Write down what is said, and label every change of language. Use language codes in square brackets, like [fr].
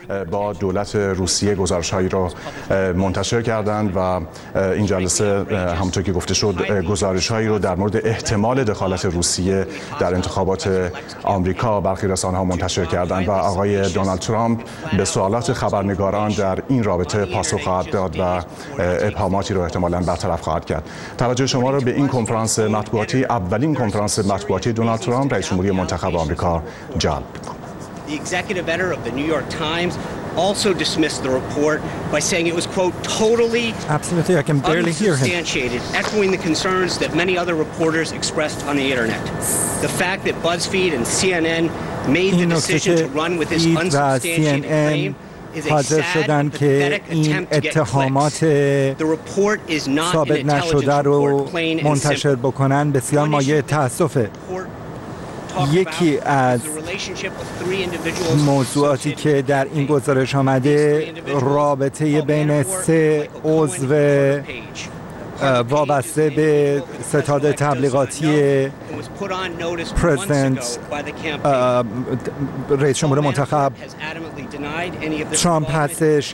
[fa] با دولت روسیه گزارش‌هایی را منتشر کردند و این جلسه همونطور که گفته شد گزارش‌هایی را در مورد احتمال دخالت روسیه در انتخابات آمریکا برخی رسانه‌ها منتشر کردند و آقای دونالد ترامپ به سوالات خبرنگاران در این رابطه پاسخ خواهد داد و ابهاماتی را احتمالاً برطرف خواهد کرد. توجه شما را به این کنفرانس مطبوعاتی، اولین کنفرانس مطبوعاتی دونالد ترامپ رئیس جمهوری منتخب آمریکا جلب می‌کنم. [en] The executive editor of the New York Times also dismissed the report by saying it was, quote, totally absolutely, I can barely hear him. Unsubstantiated, echoing the concerns that many other reporters expressed on the internet. The fact that BuzzFeed and CNN made the decision to run with this unsubstantiated claim is a sad and pathetic attempt to get clicks. The report is not an intelligence report, plain and simple. [fa] یکی از موضوعاتی که در این گزارش آمده رابطه بین سه عضو وابسته به ستاد تبلیغاتی پرزیدنت رئیس جمهور منتخب ترامپ هستش.